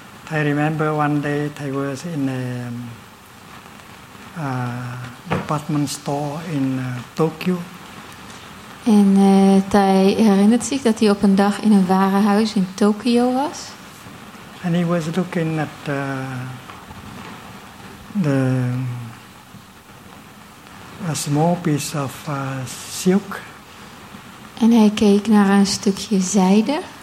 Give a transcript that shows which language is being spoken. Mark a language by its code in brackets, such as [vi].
[en] I remember one day I was in a department store in Tokyo. [nl] En Tai herinnert zich dat hij op een dag in een warenhuis in Tokyo was. [en] And he was looking at the a small piece of silk. [nl] En hij keek naar een stukje zijde.